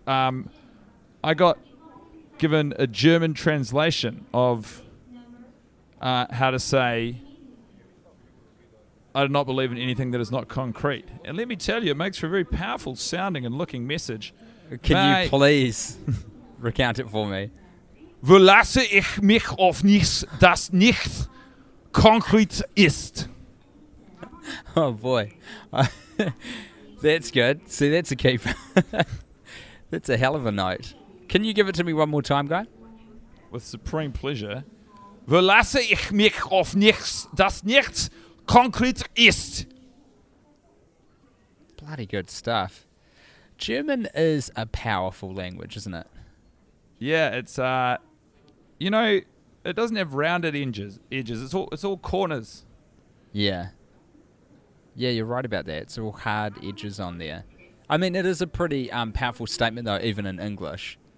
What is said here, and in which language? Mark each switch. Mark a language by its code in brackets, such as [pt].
[en] I got given a German translation of how to say, I do not believe in anything that is not concrete. And let me tell you, it makes for a very powerful sounding and looking message. Can you please recount it for me? [de] Verlasse ich mich auf nichts, das nichts konkret ist. [en] Oh boy. That's good. See, that's a keeper. That's a hell of a note. Can you give it to me one more time, guy? With supreme pleasure. [de] Verlasse ich mich auf nichts, das nichts konkret ist. [en] Bloody good stuff. German is a powerful language, isn't it? Yeah, it's, you know, it doesn't have rounded edges. It's all corners. Yeah. Yeah, you're right about that. It's all hard edges on there. I mean, it is a pretty powerful statement, though, even in English.